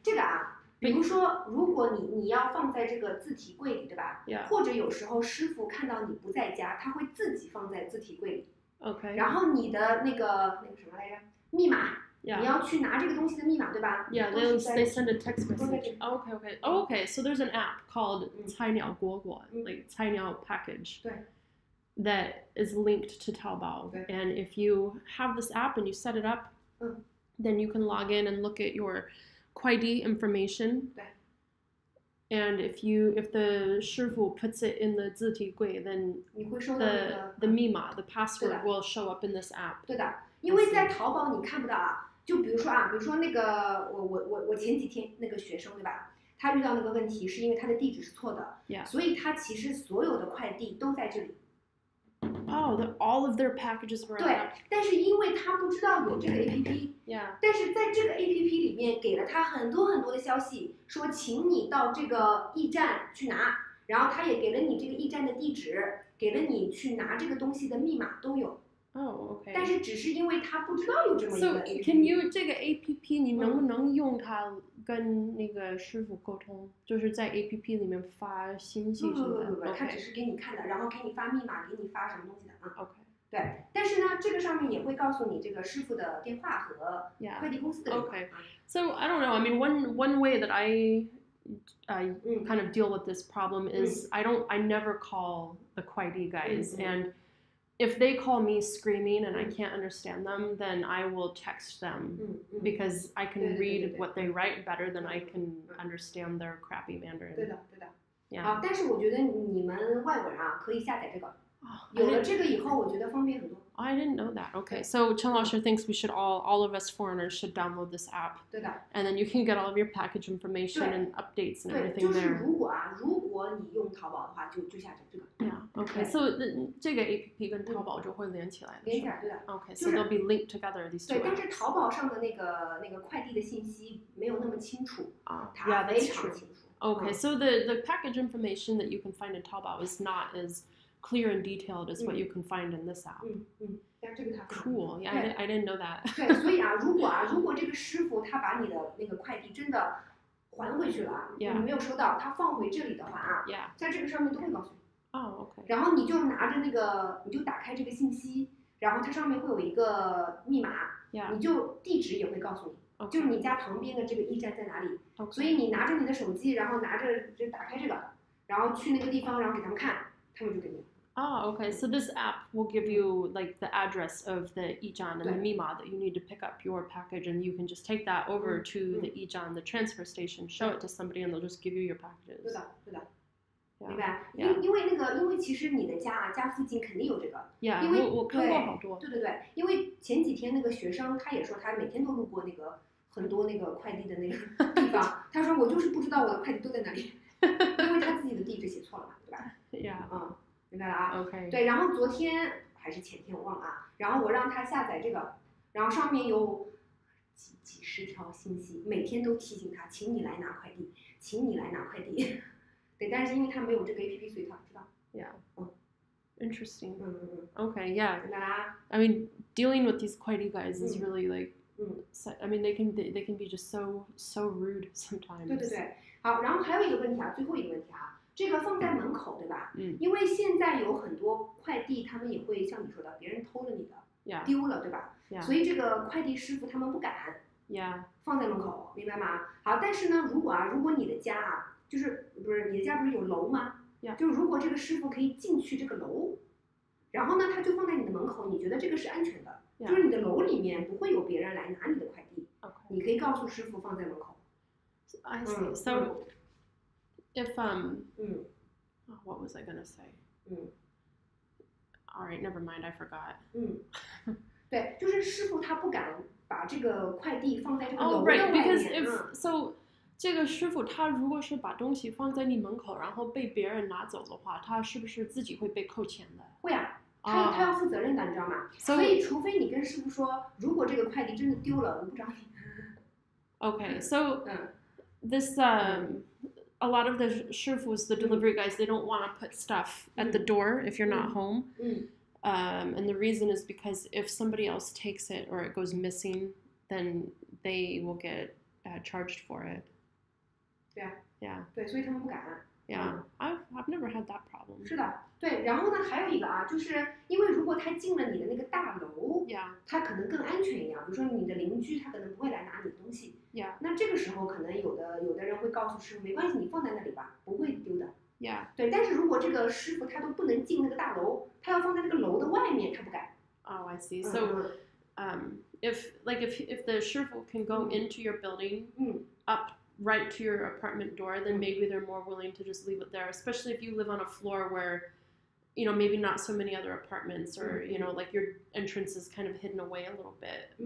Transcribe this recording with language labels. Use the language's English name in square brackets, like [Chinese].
[Chinese] 这个啊，比如说，如果你要放在这个字体柜里，对吧？ [English] Yeah. [Chinese] 或者有时候师傅看到你不在家，他会自己放在字体柜里。 [English] OK。 [Chinese] 然后你的那个什么来着？密码。 [English] Yeah. [Chinese] 你要去拿这个东西的密码，对吧？ [English] Yeah, they send a text message. Okay, okay. Oh, okay, so there's an app called 菜鸟果果, like 菜鸟 package, [Chinese] 对, [English] that is linked to Taobao. And if you have this app and you set it up, then you can log in and look at your Kuaidi information. [Chinese] 对, [English] and if the 师傅 puts it in the 字体柜, then the 密码, the password will show up in this app. [Chinese] 对的，因为在淘宝你看不到啊。就比如说啊，比如说那个我前几天那个学生对吧，他遇到那个问题是因为他的地址是错的， [English] yeah. [Chinese] 所以他其实所有的快递都在这里， [English] Oh, the, all of their packages were out. [Chinese] 对，但是因为他不知道有这个 APP。 [English] Yeah。 [Chinese] 但是在这个 APP 里面给了他很多很多的消息，说请你到这个驿站去拿，然后他也给了你这个驿站的地址，给了你去拿这个东西的密码都有。 [English] Oh, okay. [Chinese] 但是只是因为他不知道有这么一个 APP。 [English] So can you [Chinese] 这个 APP 你能不能用它跟那个师傅沟通，就是在 APP 里面发信息什么的？不，他只是给你看的，然后给你发密码，给你发什么东西的啊 [English] ？OK。 [Chinese] 对，但是呢，这个上面也会告诉你这个师傅的电话和快递公司的电话。 [English] Yeah. Okay. So I don't know. I mean, one way that I kind of deal with this problem is I never call the Kuaidi guys and. If they call me screaming and I can't understand them, then I will text them because I can read what they write better than I can understand their crappy Mandarin. [Chinese] 对的，对的。 [English] Yeah. [Chinese] 但是我觉得你们外国人啊，可以下载这个。有了这个以后，我觉得方便很多。 [English] I didn't know that. Okay, so Chen Laoshi thinks we should all of us foreigners should download this app. [Chinese] 对的。 [English] And then you can get all of your package information and updates and everything there. [Chinese] 对，就是如果啊，如果你用淘宝的话，就下载这个。 [English] Yeah. Okay. [Chinese] So这个 APP 跟淘宝就会连起来。连起来，对的。 [English] Okay. So they'll be linked together these two. [Chinese] 对，但是淘宝上的那个快递的信息没有那么清楚。 [English] Yeah, that's true. Okay. So the package information that you can find in Taobao is not as clear and detailed is what you can find in this app. Cool. Yeah, I didn't know that. [Chinese] 对，所以啊，如果这个师傅他把你的那个快递真的还回去了，你没有收到，他放回这里的话啊，在这个上面都会告诉你。 [English] Oh, okay. [Chinese] 然后你就拿着那个，你就打开这个信息，然后它上面会有一个密码，你就地址也会告诉你。 [English] Okay. [Chinese] 就是你家旁边的这个驿站在哪里。 [English] Okay. [Chinese] 所以你拿着你的手机，然后拿着就打开这个，然后去那个地方，然后给他们看。 [English] Oh, okay. So this app will give you like the address of the 驿站and the 密码 that you need to pick up your package, and you can just take that over to the 驿站, the transfer station, show it to somebody, and they'll just give you your packages. [Chinese] 对的，对的。明白。因为其实你的家附近肯定有这个。 [English] Yeah. [Chinese] 因为我看过好多。对对对，因为前几天那个学生他也说他每天都路过那个很多那个快递的那个地方，他说我就是不知道我的快递都在哪里，因为他自己的地址写错了嘛，对吧？ [English] Yeah. [Chinese] 明白了啊。 [English] Okay. [Chinese] 对，然后昨天还是前天我忘了啊。然后我让他下载这个，然后上面有几十条信息，每天都提醒他，请你来拿快递，请你来拿快递。对，但是因为他没有这个 APP， 所以他不知道。 [English] Yeah. Interesting. 嗯嗯嗯。 Okay. Yeah. [Chinese] 明白了啊。 [English] I mean, dealing with these Kuaidi guys is really like, I mean, they can be just so rude sometimes. [Chinese] 对对对。好，然后还有一个问题啊，最后一个问题啊。这个放在门口对吧、嗯、因为现在有很多快递他们也会像你说的别人偷了你的、 [English] yeah. [Chinese] 丢了对吧、 [English] yeah. [Chinese] 所以这个快递师傅他们不敢、 [English] yeah. [Chinese] 放在门口明白吗好但是呢如果你的家啊就是不是你的家不是有楼吗、 [English] yeah. [Chinese] 就如果这个师傅可以进去这个楼然后呢他就放在你的门口你觉得这个是安全的、 [English] yeah. [Chinese] 就是你的楼里面不会有别人来拿你的快递、 [English] okay. [Chinese] 你可以告诉师傅放在门口 [English] I see、嗯、 so If, oh, what was I going to say? All right, never mind, I forgot. [Chinese] 对，就是师傅他不敢把这个快递放在这个楼的外面。 [English] Oh, right, because if, [Chinese] 这个师傅他如果是把东西放在你门口然后被别人拿走的话他是不是自己会被扣钱的会啊他要负责任的你知道吗 [English] so, [Chinese] 所以除非你跟师傅说如果这个快递真的丢了我不找你。 [English] Okay, so, this, A lot of the shifus, the delivery guys, they don't want to put stuff at the door if you're not home. And the reason is because if somebody else takes it or it goes missing, then they will get charged for it. Yeah. Yeah. [Chinese] 对，所以他们不敢。 [English] Yeah, I've never had that problem. [Chinese] 是的，对。然后呢，还有一个啊，就是因为如果他进了你的那个大楼， [English] yeah. [Chinese] 他可能更安全一样。比如说你的邻居，他可能不会来拿你的东西。 [English] Yeah. [Chinese] 那这个时候可能有的人会告诉师傅没关系你放在那里吧不会丢的、 [English] yeah. [Chinese] 对但是如果这个师傅他都不能进那个大楼他要放在那个楼的外面他不敢 [English] Oh I see So if the 师傅 can go into your building up right to your apartment door then maybe they're more willing to just leave it there especially if you live on a floor whereyou know, maybe not so many other apartments or, you know, like your entrance is kind of hidden away a little bit.